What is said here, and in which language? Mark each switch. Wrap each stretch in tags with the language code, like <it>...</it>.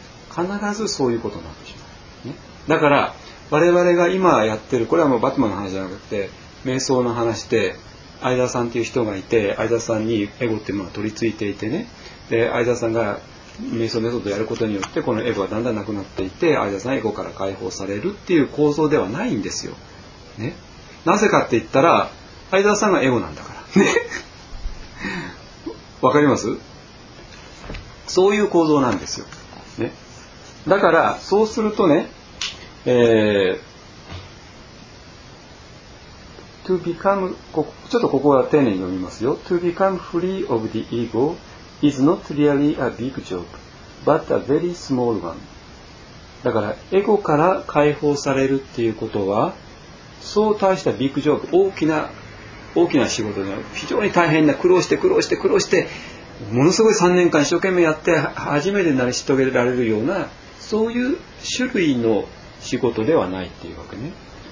<ja>必ずそういうことになってしまう、ね、だから我々が今やってる、これはもうバットマンの話じゃなくて瞑想の話で、相沢さんっていう人がいて、相沢さんにエゴっていうものが取り付いていてね、で相沢さんが瞑想メソッドをやることによってこのエゴはだんだんなくなっていって、相沢さんエゴから解放されるっていう構造ではないんですよ、ね、なぜかって言ったら相沢さんがエゴなんだから、わかります？そういう構造なんですよ、ね、だからそうするとね、</ja> <en>to become、</en> <ja>ちょっとここは丁寧に読みますよ。</ja> <en>To become free of the egoIs not really a big job, but a very small one.</en> <ja>だからエゴから解放されるっていうことは、そう大したビッグジョーク、大きな仕事じゃない、非常に大変な、苦労してものすごい3年間一生懸命やって初めて成し遂げられるような、そういう種類の仕事ではないっていうわけね。</ja>